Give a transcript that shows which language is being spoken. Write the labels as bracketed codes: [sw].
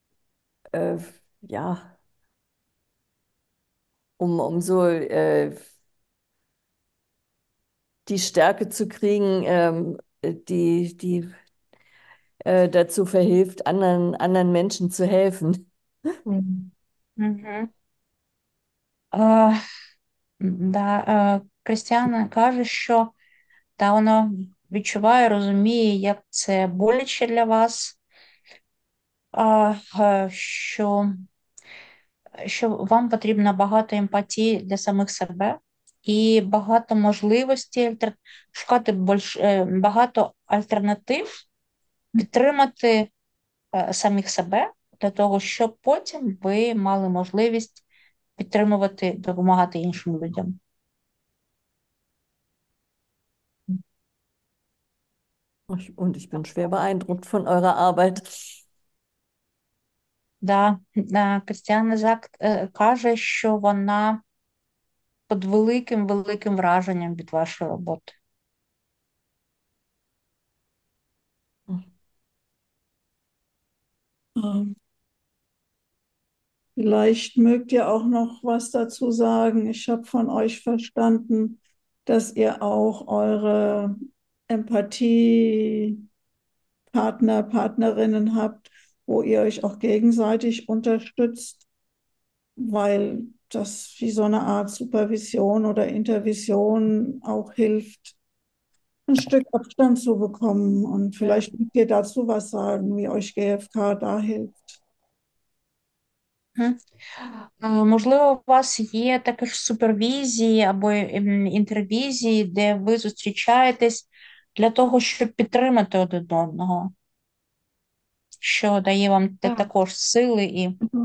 [de] ja, um so die Stärke zu kriegen, die dazu verhilft, anderen Menschen zu helfen. [uk] Да, Крістіана каже, що та вона відчуває, розуміє, як це боляче для вас, що вам потрібно багато емпатії для самих себе і багато можливостей шукати багато альтернатив, підтримати самих себе. Для того, щоб потім ви мали можливість підтримувати, допомагати іншим людям. [de] Und ich bin schwer beeindruckt von eurer Arbeit. [uk] Да, Кристіана каже, що вона під великим-великим враженням від вашої роботи. [de] Vielleicht mögt ihr auch noch was dazu sagen. Ich habe von euch verstanden, dass ihr auch eure Empathie, Partner, Partnerinnen habt, wo ihr euch auch gegenseitig unterstützt, weil das wie so eine Art Supervision oder Intervision auch hilft, ein Stück Abstand zu bekommen. Und vielleicht könnt ihr dazu was sagen, wie euch GFK da hilft. [uk] Можливо, у вас є також супервізії або інтервізії, де ви зустрічаєтесь для того, щоб підтримати один одного, що дає вам також сили і.